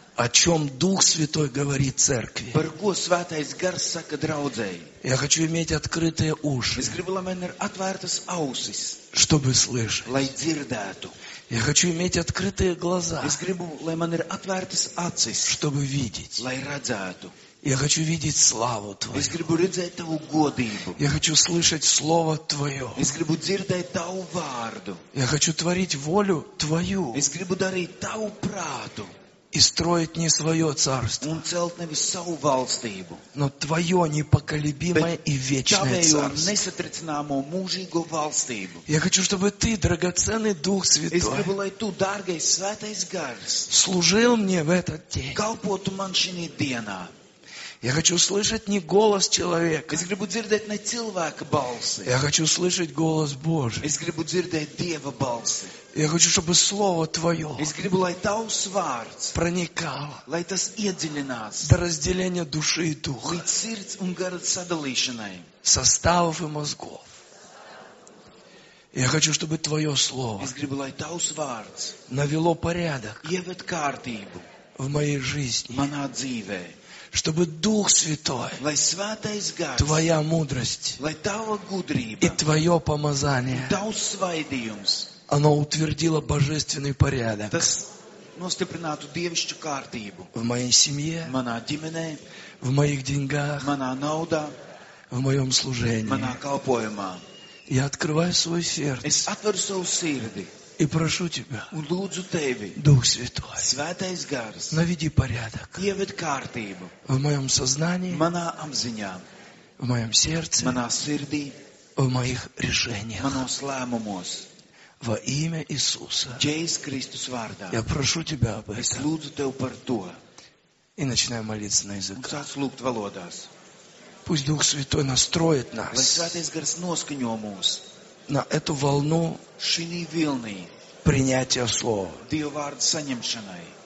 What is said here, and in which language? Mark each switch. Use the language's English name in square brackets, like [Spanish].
[Russian] о чем Дух Святой говорит Церкви. [Latvian] Par ko Svētais Gars saka draudzei. [Russian] Я хочу иметь открытые уши, [Latvian] es gribu, lai man ir atvērtas ausis, [Russian] чтобы слышать. [Latvian] Lai dzirdētu. [Russian] Я хочу иметь открытые глаза, [Latvian] es gribu, lai man ir atvērtas acis, [Russian] чтобы видеть. [Latvian] Lai redzētu. [Russian] Я хочу видеть славу Твою. [Latvian] Es gribu redzēt Tavu godību. [Russian] Я хочу слышать Слово Твое. [Latvian] Es gribu dzirdēt Tavu vārdu. [Russian] Я хочу творить волю Твою. [Latvian] Es gribu darīt Tavu prātu. [Russian] И строить не свое царство. [Latvian] Un celt nevis savu valstību. [Russian] Но Твое непоколебимое [Latvian] bet [Russian] и вечное [Latvian] tavējo [Russian] царство. [Latvian] Tavējo nesatricināmo mūžīgo valstību. [Russian] Я хочу, чтобы Ты, драгоценный Дух Святой, [Latvian] Es gribu, lai Tu, dārgais Svētais Gars, [Russian] служил мне в этот день. [Latvian] Kalpotu man šī dienā. [Russian] Я хочу слышать не голос человека. [Latvian] Es gribu dzirdēt ne cilvēka balsi. [Russian] Я хочу слышать голос Божий. [Latvian] Es gribu dzirdēt Dieva balsi. [Russian] Я хочу, чтобы Слово Твое [Latvian] Es gribu, lai Tavs vārds [Russian] проникало. [Latvian] Lai tas iedziļinās. [Russian] До разделения души и духа. [Latvian] Līdz sirds un gara sadalīšanai. [Russian] Составов и мозгов. Я хочу, чтобы Твое Слово [Latvian] Es gribu, lai Tavs vārds [Russian] навело порядок [Latvian] ievet kārtību [Russian] в моей жизни. [Latvian] Manā dzīvē. [Russian] Чтобы Дух Святой, [Latvian] lai Svētais Gars, [Russian] Твоя мудрость, [Latvian] lai Tava gudrība, [Russian] и Твое помазание, [Latvian] Tavs svaidījums, [Russian] оно утвердило божественный порядок, [Latvian] tas nostiprinātu dievišķu kārtību. [Russian] В моей семье. [Latvian] Manā ģimenē. [Russian] В моих деньгах. [Latvian] Manā naudā. [Russian] В моём служении. [Latvian] Manā kalpojumā. [Russian] Я открываю свое сердце. [Latvian] Es atveru savu sirdi. [Russian] И прошу тебя. [Latvian] Un lūdzu tevi. [Russian] Дух Святой. [Latvian] Svētais Gars. [Russian] Наведи порядок. [Latvian] Ieved kārtību. [Russian] В моём сознании. [Latvian] Manā apziņā. [Russian] В моём сердце. [Latvian] Manā sirdī. [Russian] В моих решениях. [Latvian] Manos lēmumos. [Russian] Во имя Иисуса. [Latvian] Jēzus Kristus vārdā. [Russian] Я прошу тебя об этом. [Latvian] Es lūdzu tev par to. [Russian] И начинаю молиться на языках. [Latvian] Un sāc lūgt valodās. [Russian] Пусть Дух Святой настроит нас. [Latvian] Lai Svētais Gars noskaņo mūs. [Russian] На эту волну. [Latvian] Šinī vilnī. [Russian] Принятие слова. [Latvian] Dievu vārdu saņemšanai.